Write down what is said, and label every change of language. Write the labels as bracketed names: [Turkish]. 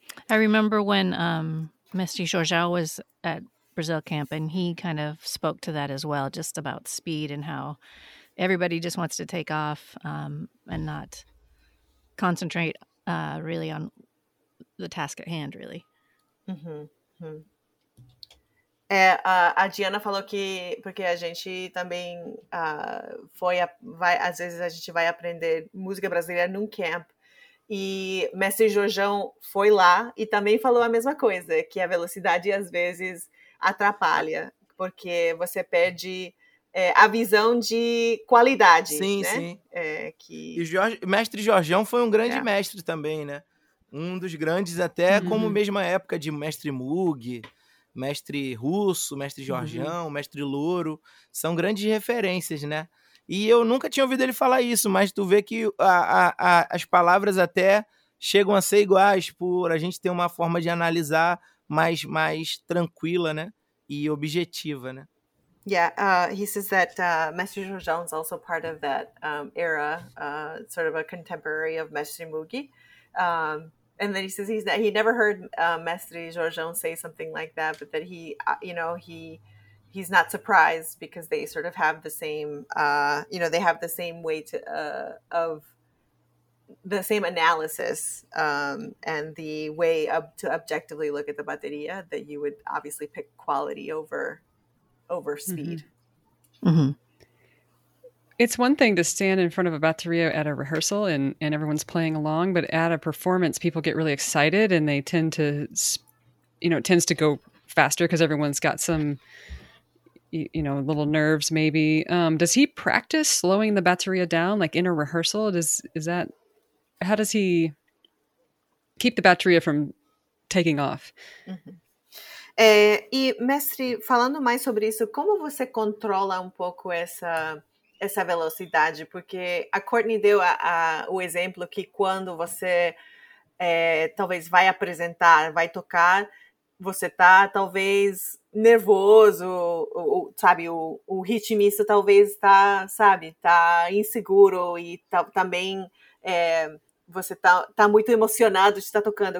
[English] I remember when Mestre Jorgeau was at Brazil camp, and he kind of spoke to that as well, just about speed and how everybody just wants to take off and not concentrate really on the task at hand, really. [Portuguese] A Diana falou que, porque a gente também às vezes a gente vai aprender música brasileira num camp, e Mestre Jorgeão foi lá e também falou a mesma coisa, que a velocidade às vezes atrapalha, porque você perde a visão de qualidade. Sim, né? Sim. Mestre Jorgeão foi um grande mestre também, né? Um dos grandes, até como mesma época de Mestre Mug, Mestre Russo, Mestre Jorgeão, Mestre Louro, são grandes referências, né? E eu nunca tinha ouvido ele falar isso, mas tu vê que as palavras até chegam a ser iguais por a gente ter uma forma de analisar mais tranquila, né? E objetiva, né? [English] Yeah, he says that Mestre Jorgeão is also part of that era, sort of a contemporary of Mestre Mugi. And then he says he never heard Mestre Jorgeão say something like that, but that he, you know, he's not surprised because they sort of have the same, you know, they have the same way to, of the same analysis and the way to objectively look at the bateria that you would obviously pick quality over speed. Mm-hmm. Mm-hmm. It's one thing to stand in front of a bateria at a rehearsal and everyone's playing along, but at a performance, people get really excited and they tend to, you know, it tends to go faster because everyone's got some, you know, little nerves maybe. Does he practice slowing the bateria down, like in a rehearsal? How does he keep the bateria from taking off? Mm-hmm. [Portuguese] E, mestre, falando mais sobre isso, como você controla um pouco essa velocidade? Porque a Courtney deu o exemplo que quando você talvez vai apresentar, vai tocar, você tá talvez nervoso, sabe, o ritmista talvez tá, sabe, tá inseguro e também você tá muito emocionado de estar tocando.